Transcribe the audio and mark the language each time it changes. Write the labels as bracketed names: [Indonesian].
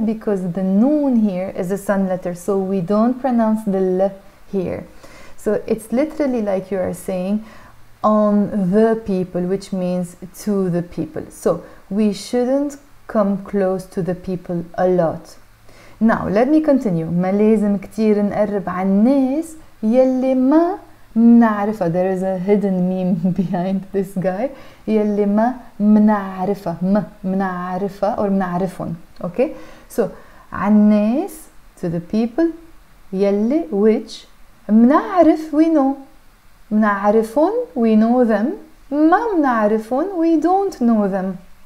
[English] Because the noon here is a sun letter, so we don't pronounce the L here. So it's literally like you are saying on the people, which means to the people. So we shouldn't come close to the people a lot. Now let me continue. [Arabic] ما لازم كتير نقرب عن الناس يلي ما منعرفة. [English] There is a hidden meme behind this guy. [Arabic] يلي ما منعرفة. ما منعرفة or منعرفون. Okay? [English] So عن الناس, to the people, يلي, which, منعرف, we know. منعرفون, we know them. [Arabic] ما منعرفون, [English] we don't know them.